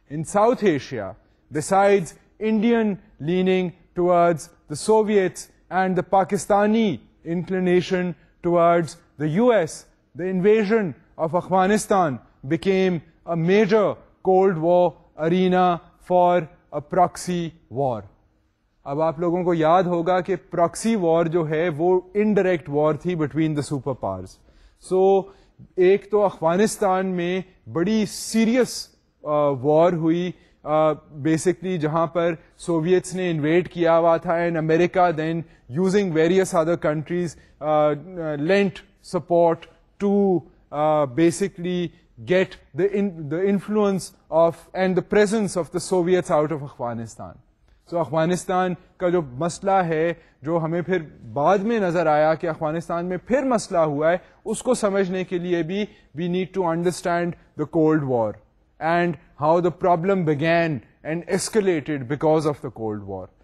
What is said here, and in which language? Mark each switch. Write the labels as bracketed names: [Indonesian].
[English] In South Asia, besides Indian leaning towards the Soviets and the Pakistani inclination towards the US, the invasion of Afghanistan became a major Cold War arena for a proxy war. [Urdu] اب آپ لوگوں کو یاد ہوگا کہ proxy war جو ہے وہ indirect war تھی [English] between the superpowers. [Urdu] So ایک تو افغانستان میں بڑی serious وار ہوئی بیسکلی جہاں پر سوویتس نے انویٹ کیا ہوا تھا [English] And America then using various other countries lent support to basically get the influence of and the presence of the Soviets out of Afghanistan. [Urdu] سو افغانستان کا جو مسئلہ ہے جو ہمیں پھر بعد میں نظر آیا کہ افغانستان میں پھر مسئلہ ہوا ہے اس کو سمجھنے کے لیے بھی [English] we need to understand the cold war [Urdu] and how the problem begin and escalated because of the cold war.